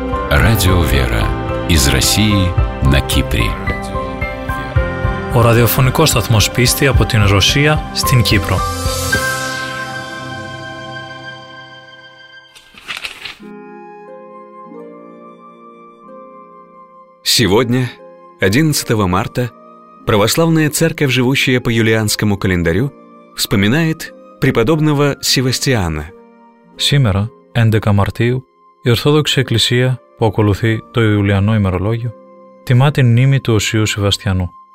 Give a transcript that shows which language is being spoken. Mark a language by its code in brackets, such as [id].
[ru] Радио «Вера» из России на Кипре. [el] Ο ραδιοφωνικός σταθμός πίστη από την Ρωσία στην Κύπρο. [ru] Сегодня, 11 марта, православная церковь, живущая по юлианскому календарю, вспоминает преподобного Севастиана. [el] Сегодня, 11 марта, η Ορθόδοξη Εκκλησία που ακολουθεί το Ιουλιανό ημερολόγιο τιμά την μνήμη του Οσίου Σεβαστιανού.